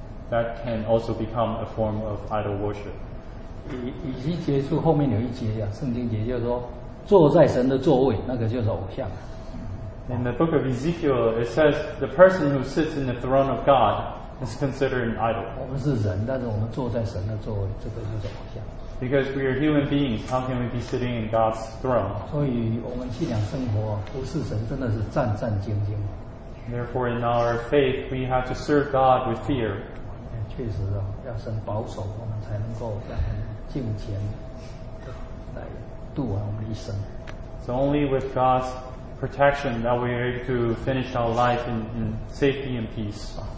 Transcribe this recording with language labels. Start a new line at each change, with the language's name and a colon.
English: That can also become a form of idol worship.
Chinese: 以西结书后面有一节呀、啊，圣经节就是说，坐在神的座位，那个就是偶像。
English: In the book of Ezekiel, it says the person who sits in the throne of God is considered an idol.
Chinese: 我们是人，但是我们坐在神的座位，这个就是偶像。
English: Because we are human beings, how can we be sitting in God's throne?
Chinese: 所以我们信仰生活服侍神真的是战战兢兢。
English: Therefore, in our faith, we have to serve God with fear.
Chinese: 确实啊，要神保守我们，才能够让我们敬虔来度完我们一生。
English: It's only with God's protection that we are able to finish our life in safety and peace.